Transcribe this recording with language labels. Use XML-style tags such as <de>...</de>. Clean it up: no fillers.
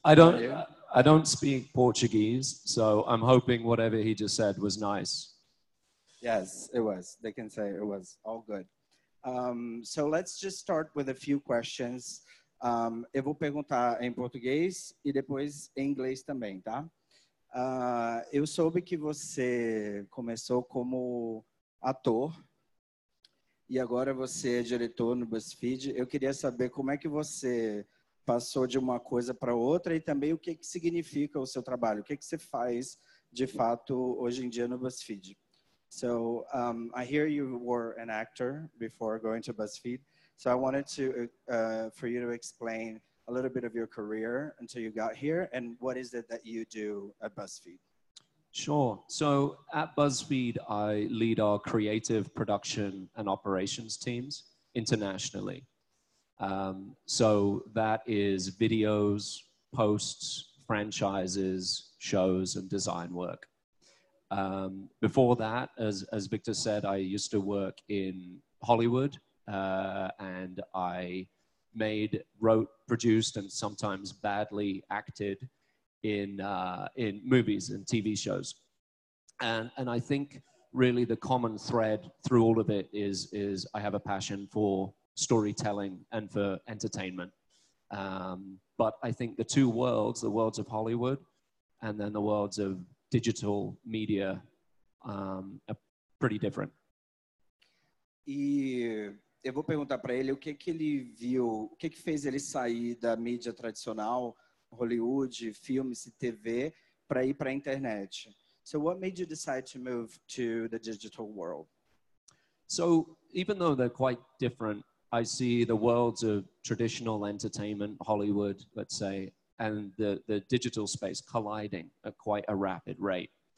<en>I don't speak Portuguese, so I'm hoping whatever he just said was nice. Yes, it was. They can say it was all good. So let's just start with a few questions.</en> <pt>Eu vou perguntar em português e depois em inglês também, tá? Eu soube que você começou como ator e agora você é diretor no BuzzFeed. Eu queria saber como é que você passou de uma coisa para outra e também o que que significa o seu trabalho, o que que você faz de fato hoje em dia no BuzzFeed.</pt> <en>So I hear you were an actor before going to BuzzFeed. So I wanted to for you to explain a little bit of your career until you got here and what is it that you do at BuzzFeed? Sure. So at BuzzFeed, I lead our creative production and operations teams internationally. So that is videos, posts, franchises, shows, and design work. Before that, as Victor said, I used to work in Hollywood, and I wrote, produced, and sometimes badly acted in movies and TV shows. And I think really the common thread through all of it is I have a passion for storytelling and for entertainment. But I think the two worlds, the worlds of Hollywood and then the worlds of digital media, are pretty different.</en> <pt>E eu vou perguntar para ele o que que ele viu, o que que fez ele sair da mídia tradicional, Hollywood, filmes e TV, para ir para a internet.</pt> <en>So what made you decide to move to the digital world? So even though they're quite different, I see the worlds of traditional entertainment, Hollywood, let's say, and the digital space colliding at quite a rapid rate.</en>